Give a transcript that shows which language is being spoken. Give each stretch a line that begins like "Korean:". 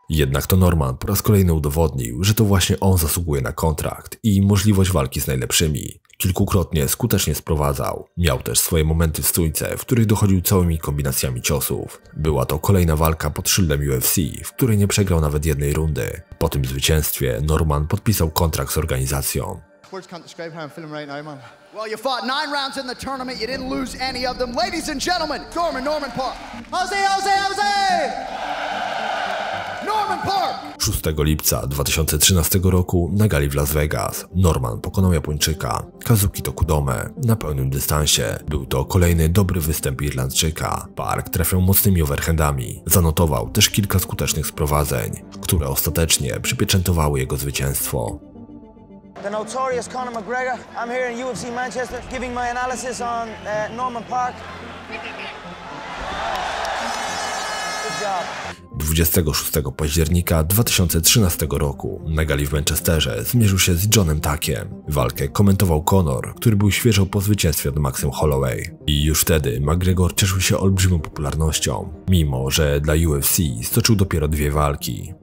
Polish: Jednak to Norman po raz kolejny udowodnił, że to właśnie on zasługuje na kontrakt i możliwość walki z najlepszymi. Kilkukrotnie skutecznie sprowadzał. Miał też swoje momenty w stójce, w których dochodził całymi kombinacjami ciosów. Była to kolejna walka pod szyldem UFC, w której nie przegrał nawet jednej rundy. Po tym zwycięstwie Norman podpisał kontrakt z organizacją.
English: Words can't describe how I'm feeling right now, man. Well, you fought 9 rounds in the tournament, you didn't lose any of them. Ladies and gentlemen, Norman Park. Jose, Jose, Jose!
Polish: 6 lipca 2013 roku na gali w Las Vegas Norman pokonał Japończyka Kazuki Tokudome na pełnym dystansie. Był to kolejny dobry występ Irlandczyka. Park trafiał mocnymi overhandami. Zanotował też kilka skutecznych sprowadzeń, które ostatecznie przypieczętowały jego zwycięstwo.
English: The notorious Conor McGregor. I'm here in UFC Manchester giving my analysis on Norman Park. Good job.
Polish: 26 października 2013 roku na gali w Manchesterze zmierzył się z Johnem Tackiem. Walkę komentował Conor, który był świeżo po zwycięstwie od Maxim Holloway. I już wtedy McGregor cieszył się olbrzymią popularnością, mimo że dla UFC stoczył dopiero dwie walki.